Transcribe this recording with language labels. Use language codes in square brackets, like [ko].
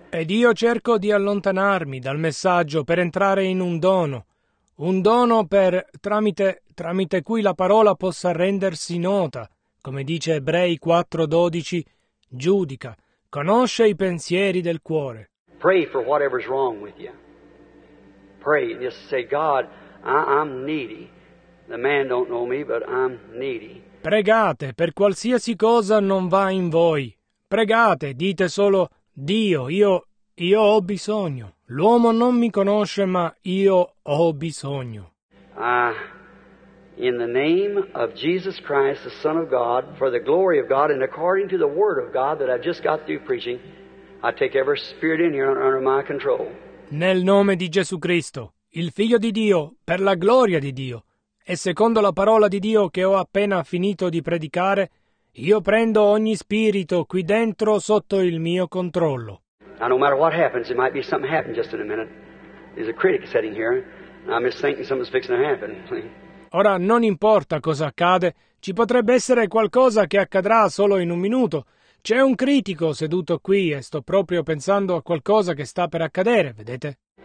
[it] Ed io cerco di allontanarmi dal messaggio per entrare in un dono per tramite cui la parola possa rendersi nota, come dice Ebrei 4:12, giudica. Conosce i pensieri del cuore. [en] Pray for whatever's wrong with you. Pray and just say, God, I'm needy. The man don't know me, but I'm needy. [it] Pregate per qualsiasi cosa non va in voi. Pregate, dite solo, Dio, io ho bisogno. L'uomo non mi conosce, ma io ho bisogno. [en] In the name of Jesus Christ, the Son of God, for the glory of God, and according to the word of God that I just got through preaching, I take every spirit in here under my control. [it] Nel nome di Gesù Cristo, il Figlio di Dio, per la gloria di Dio, e secondo la parola di Dio che ho appena finito di predicare, io prendo ogni spirito qui dentro sotto il mio controllo. [en] Now, no matter what happens, it might be something happened just in a minute. There's a critic sitting here, and I'm just thinking something's fixing to happen. [it] Ora, non importa cosa accade, ci potrebbe essere qualcosa che accadrà solo in un minuto. C'è un critico seduto qui e sto proprio pensando a qualcosa che sta per accadere, vedete?